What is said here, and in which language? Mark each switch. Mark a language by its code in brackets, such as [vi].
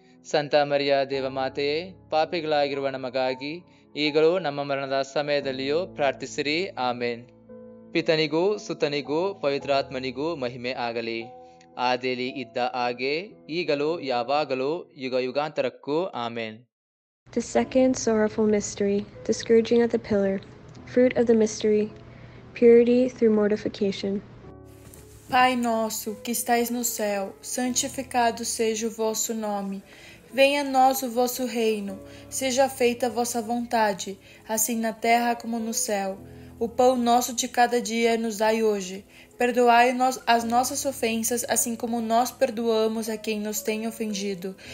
[kn] ಸಂತ ಮರಿಯ ದೇವಮಾತೆಯೇ, ಪಾಪಿಗಳಾಗಿರುವ ನಮಗಾಗಿ ಈಗಲೂ ನಮ್ಮ ಮರಣದ ಸಮಯದಲ್ಲಿಯೂ ಪ್ರಾರ್ಥಿಸಿರಿ. ಆಮೇನ್. ಪಿತನಿಗೂ ಸುತನಿಗೂ ಪವಿತ್ರಾತ್ಮನಿಗೂ ಮಹಿಮೆ ಆಗಲಿ, ಆದಿಯಲ್ಲಿ ಇದ್ದ ಹಾಗೆ ಈಗಲೂ ಯಾವಾಗಲೂ ಯುಗ ಯುಗಾಂತರಕ್ಕೂ. ಆಮೇನ್. [en] The second sorrowful mystery, the scourging at the pillar, fruit of the mystery, purity through mortification. [pt] Pai nosso que estais no céu, santificado seja o vosso nome. Venha a nós o vosso reino, seja feita a vossa vontade, assim na terra como no céu. O pão nosso de cada dia nos dai hoje. Perdoai as nossas ofensas, assim como nós perdoamos a quem nos tem ofendido.